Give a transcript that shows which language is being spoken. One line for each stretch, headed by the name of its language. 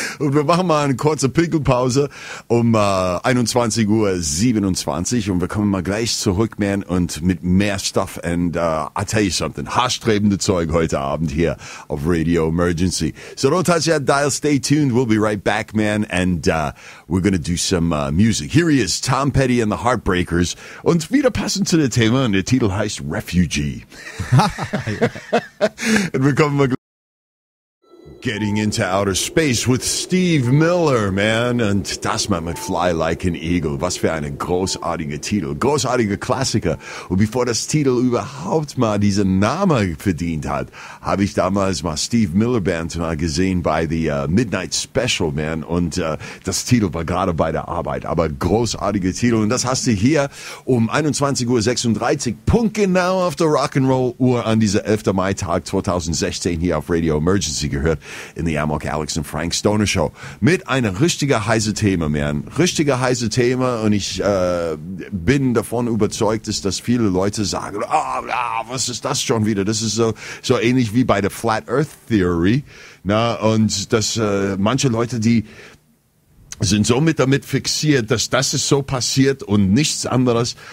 German: Und wir machen mal eine kurze Pinkelpause um 21:27 Uhr und wir kommen mal gleich zurück, man, und mit mehr Stuff
English: and I'll tell you something,
German: haarsträubende Zeug heute Abend hier of Radio Emergency.
English: So don't touch that dial. Stay tuned. We'll be right back, man. And we're going to do some music. Here he is, Tom Petty and the Heartbreakers.
German: Und wieder passend zu dem Thema, und der Titel heißt Refugee.
English: And we're coming back. Getting into outer space with Steve Miller, man.
German: Und das man mit Fly Like an Eagle. Was für eine großartige Titel. Großartiger Klassiker. Und bevor das Titel überhaupt mal diesen Namen verdient hat, habe ich damals mal Steve Miller Band mal gesehen bei The Midnight Special, man. Und das Titel war gerade bei der Arbeit. Aber großartiger Titel. Und das hast du hier um 21:36 Uhr, punktgenau auf der Rock'n'Roll Uhr an dieser 11. Mai Tag 2016 hier auf Radio Emergency gehört.
English: In the Amok Alex and Frank Stoner Show.
German: Mit einer richtiger heiße Thema, man. Richtiger heiße Thema. Und ich bin davon überzeugt, dass viele Leute sagen, was ist das schon wieder? Das ist so ähnlich wie bei der Flat Earth Theory. Na, und dass manche Leute, die sind so mit damit fixiert, dass das ist so passiert und nichts anderes.